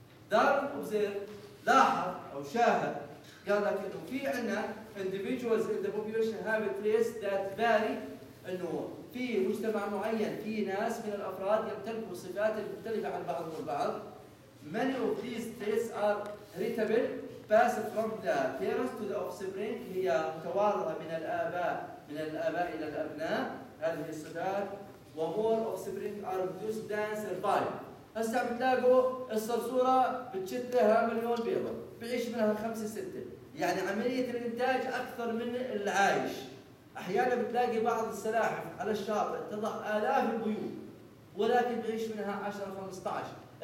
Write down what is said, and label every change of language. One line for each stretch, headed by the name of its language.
Arabic: داروين اوبزيرف لاحظ او شاهد قال لك انه في عندنا
English: individuals in the population have a traits that vary،
Arabic: انه في مجتمع معين في ناس من الافراد يمتلكوا صفات مختلفه عن بعضهم البعض.
English: Many of these traits are heritable passed from the parents to the offspring،
Arabic: هي متوارثه من الاباء الى الابناء هذه الصفات.
English: More offspring are produced than survive،
Arabic: هسه عم تلاقوا الصرصوره بتشد لها مليون بيضه بعيش منها خمسه سته، يعني عملية الإنتاج أكثر من العايش. أحيانا بتلاقي بعض السلاحف على الشاطئ تضع آلاف البيوض ولكن بعيش منها 10-15.